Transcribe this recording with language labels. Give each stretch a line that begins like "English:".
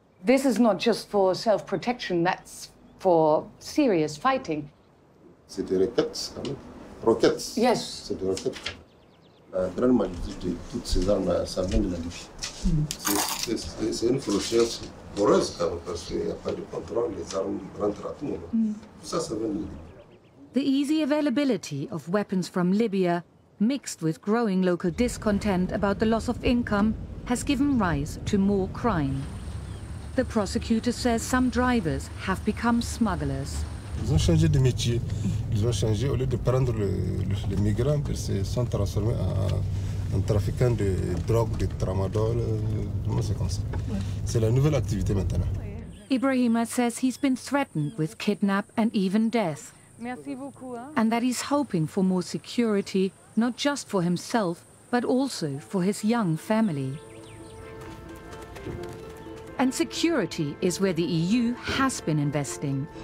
English: This is not just for self-protection, that's for serious fighting.
French: C'est des roquettes, quand même. Roquettes.
English: Yes.
French: C'est des roquettes. La grande majorité de toutes ces armes, ça vient de la Libye. C'est une fourchette.
English: The easy availability of weapons from Libya, mixed with growing local discontent about the loss of income, has given rise to more crime. The prosecutor says some drivers have become smugglers.
French: Ils ont changé de métier. Ils ont changé au lieu de prendre les migrants, ils se sont transformés en trafiquant de drogue, de tramadol, comment c'est comme ça. C'est la nouvelle activité maintenant.
English: Ibrahima says he's been threatened with kidnap and even death.
French: Merci beaucoup.
English: And that he's hoping for more security, not just for himself, but also for his young family. And security is where the EU has been investing.